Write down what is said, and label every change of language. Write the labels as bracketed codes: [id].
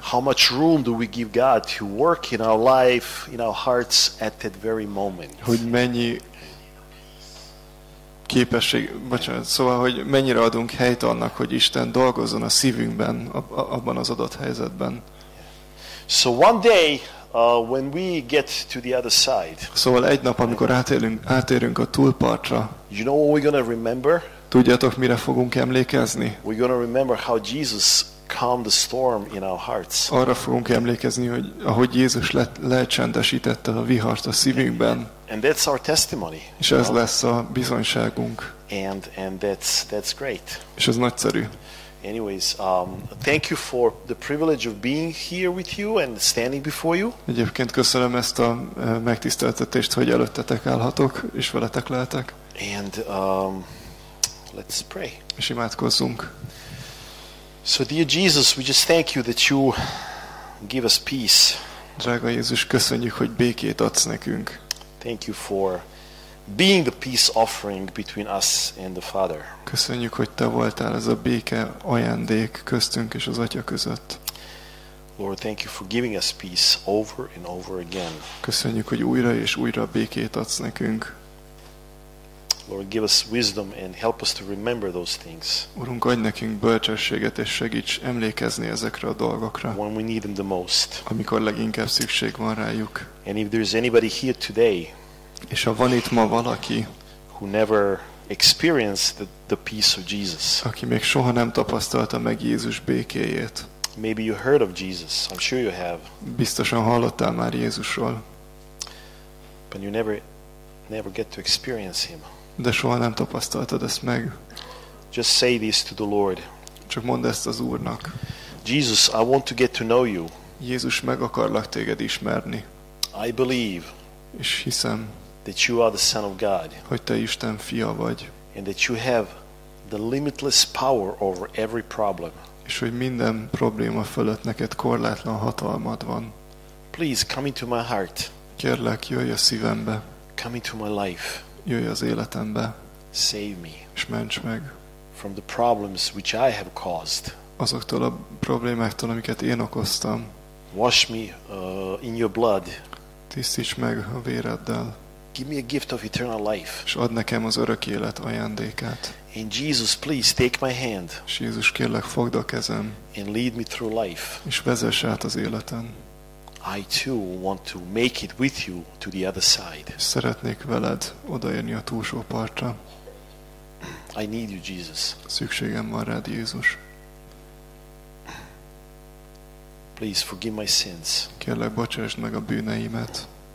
[en] How much room do we give God to work in our life, in our hearts at that very moment? [hu] Hogy mennyi képesség, bocsánat, szóval, hogy mennyire adunk helyt annak, hogy Isten dolgozzon a szívünkben abban az adott helyzetben. [en] So one day when we get to the other side. [hu] Szóval egy nap, amikor átérünk a túlpartra. [en] You know what we're gonna remember? [hu] Tudjátok, mire fogunk emlékezni? [en] We're gonna remember how Jesus calmed the storm in our hearts. [hu] Arra fogunk emlékezni, hogy ahogy Jézus lecsendesítette a vihart a szívünkben. [en] And that's our testimony. [hu] És ez lesz a bizonyságunk. [en] And that's great. [hu] És ez nagyszerű. [en] Anyways, thank you for the privilege of being here with you and standing before you. [hu] Egyébként köszönöm ezt a megtiszteltetést, hogy előttetek állhatok és veletek lehetek. [en] And let's pray. [hu] És imádkozzunk. [en] So dear Jesus, we just thank you that you give us peace. [hu] Drága Jézus, köszönjük, hogy békét adsz nekünk. [en] Thank you for being the peace offering between us and the Father. [hu] Köszönjük, hogy te voltál ez a béke ajándék köztünk és az Atya között. [en] Lord, thank you for giving us peace over and over again. [hu] Köszönjük, hogy újra és újra békét adsz nekünk. [en] Lord, give us wisdom and help us to remember those things. [hu] Urunk, adj nekünk bölcsességet és segíts emlékezni ezekre a dolgokra. [en] When we need them the most. [hu] Amikor leginkább szükség van rájuk. [en] And if there's anybody here today. [hu] És ha van itt ma valaki, [en] who never experienced the peace of Jesus. [hu] Aki még soha nem tapasztalta meg Jézus békéjét. [en] Maybe you heard of Jesus. I'm sure you have. [hu] Biztosan hallottál már Jézusról. [en] But you never never get to experience him. [hu] De soha nem tapasztaltad ezt meg. [en] Just say this to the Lord. [hu] Csak mondd ezt az Úrnak. [en] Jesus, I want to get to know you. [hu] Jézus, meg akarlak téged ismerni. [en] I believe. [hu] És hiszem. [en] That you are the Son of God. [hu] Hogy te Isten fia vagy. [en] And that you have the limitless power over every problem. [hu] És hogy minden probléma fölött neked korlátlan hatalmad van. [en] Please come into my heart. [hu] Kérlek, jöjj a szívembe. [en] Come into my life. [hu] Jöjj az életembe. [en] Save me. [hu] És ments meg. [en] From the problems which I have caused. [hu] Azoktól a problémáktól, amiket én okoztam. [en] Wash me in your blood. [hu] Tisztíts meg a véreddel. [en] Give me a gift of eternal life. [hu] És add nekem az örök élet ajándékát. [en] And Jesus, please take my hand. [hu] És Jézus, kérlek, fogd a kezem. [en] And lead me through life. [hu] És vezess át az életen. [en] I too want to make it with you to the other side. [hu] Szeretnék veled odaérni a túlsó partra. [en] I need you, Jesus. [hu] Szükségem van rád, Jézus. [en] Please forgive my sins. [hu] Kérlek, bocsásd meg a bűneimet.